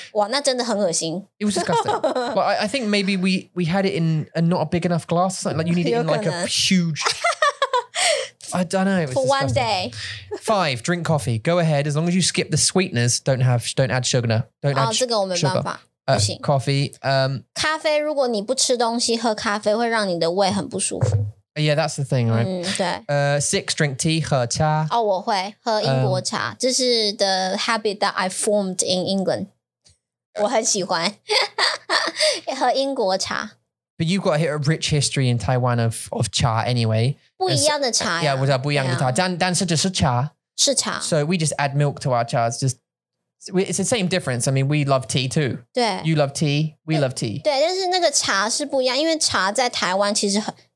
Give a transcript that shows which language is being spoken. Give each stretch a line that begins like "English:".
Chinese: 哇,那真的很恶心.
English: It was disgusting. But I think maybe we had it in a not a big enough glass. Like you need it in like a huge... I don't know. It was for disgusting. One day. Five, drink coffee. Go ahead. As long as you skip the sweeteners, don't add sugar. Don't add sugar. Coffee.
Chinese: 咖啡,如果你不吃东西,喝咖啡会让你的胃很不舒服。
English: Yeah, that's the thing, right? 6, drink tea,
Chinese: 喝茶. Oh, 我会喝英国茶.
English: This is the habit that I formed in England.
Chinese: 我很喜欢.喝英国茶.
English: But you've got a rich history in Taiwan of cha anyway.
Chinese: 不一样的茶. Yeah, 不一样的茶.Dan是就是茶. 是茶.
English: So we just add milk to our cha. It's the same difference. I mean, we love tea too.
Chinese: 对.
English: You love tea, we love tea.
Chinese: 对,但是那个茶是不一样, 因为茶在台湾其实很...